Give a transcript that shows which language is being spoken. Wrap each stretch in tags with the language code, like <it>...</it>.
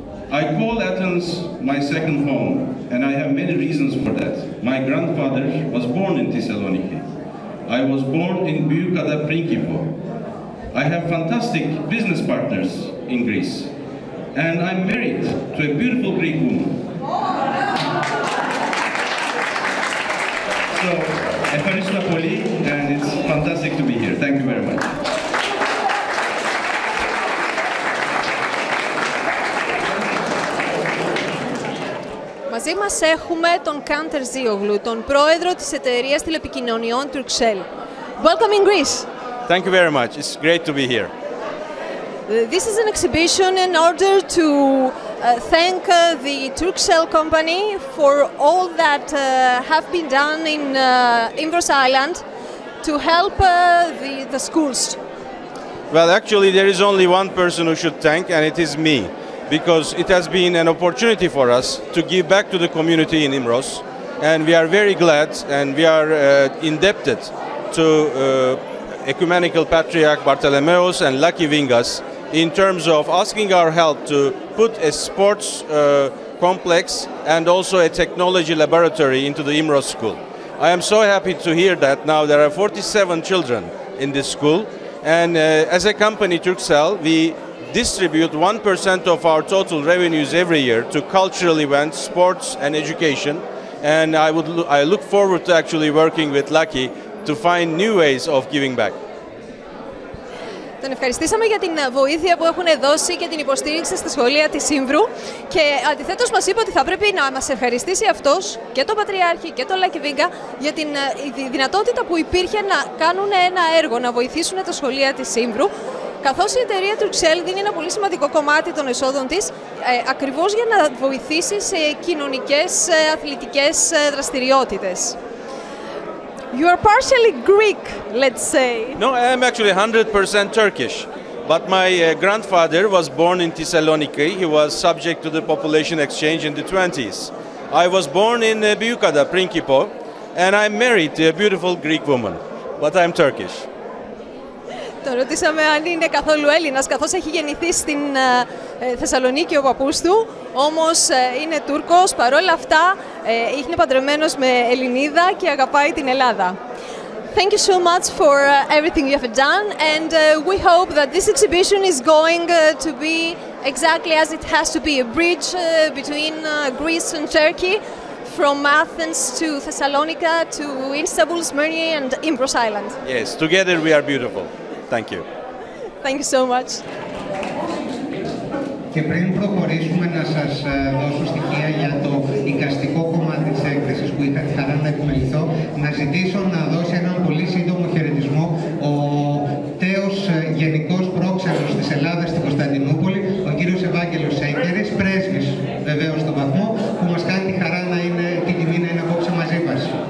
<en>I call Athens my second home, and I have many reasons for that. My grandfather was born in Thessaloniki. I was born in Boukada Prinkipo. I have fantastic business partners in Greece. And I'm married to a beautiful Greek woman. So,</en> <el>ευχαριστώ πολύ,</el> <en>and it's fantastic to be here. Thank you very much.</en> <el>Μαζί μας έχουμε τον Κάντερ Ζίογλου, τον πρόεδρο της εταιρείας τηλεπικοινωνιών Τουρξέλ.</el> <en>Welcome in Greece. Thank you very much. It's great to be here. This is an exhibition in order to thank the Tuxcell company for all that have been done in Imbros Island to help the schools. Well, actually, there is only one person who should thank, and it is me, because it has been an opportunity for us to give back to the community in Imbros, and we are very glad and we are indebted to Ecumenical Patriarch Bartholomeus and Lucky Vingas in terms of asking our help to put a sports complex and also a technology laboratory into the Imros school. I am so happy to hear that now there are 47 children in this school, and as a company, Tuxcell, we distribute 1% of our total revenues every year to cultural events, sports and education, and I look forward to actually working with Lucky to find new ways of giving back.</en> <el>Τον ευχαριστήσαμε για την βοήθεια που έχουν δώσει και την υποστήριξη στα σχολεία της Ιμβρού και αντιθέτως μας είπε ότι θα πρέπει να μας ευχαριστήσει αυτός και τον Πατριάρχη και τον Λάκη Βίγκα για την δυνατότητα που υπήρχε να κάνουν ένα έργο, να βοηθήσουν τα σχολεία της Ιμβρού, καθώς η εταιρεία Τουρξέλ δίνει ένα πολύ σημαντικό κομμάτι των εσόδων της ακριβώς για να βοηθήσει σε κοινωνικές αθλητικές δραστηριότητες.</el> <en>You are partially Greek, let's say. No, I am actually 100% Turkish. But my grandfather was born in Thessaloniki. He was subject to the population exchange in the 20s. I was born in Boukada, Prinkipo, and I'm married to a beautiful Greek woman. But I'm Turkish.</en> <el>Το ρωτήσαμε αν είναι καθόλου Έλληνας, καθώς έχει γεννηθεί στην Θεσσαλονίκη ο παππούς του, όμως είναι Τούρκος, παρόλα αυτά είναι παντρεμένος με Ελληνίδα και αγαπάει την Ελλάδα.</el> <en>Thank you so much for everything you have done, and we hope that this exhibition is going to be exactly as it has to be, a bridge between Greece and Turkey, from Athens to Thessalonica to Istanbul, Smyrna and Imbros Island. Yes, together we are beautiful. Thank you. Thank you so much.</en> <el>Και πριν προχωρήσουμε να σας δώσω στοιχεία για το εικαστικό κομμάτι της έκθεσης που είχα τη χαρά να επιμεληθώ, να ζητήσω να δώσει έναν πολύ σύντομο χαιρετισμό ο τέος Γενικός Πρόξενος της Ελλάδας στην Κωνσταντινούπολη, ο κύριος Ευάγγελος Σέγκερης, πρέσβης βεβαίως στον βαθμό, που μας κάνει τη χαρά να είναι, την τιμή να είναι απόψε μαζί μας.</el>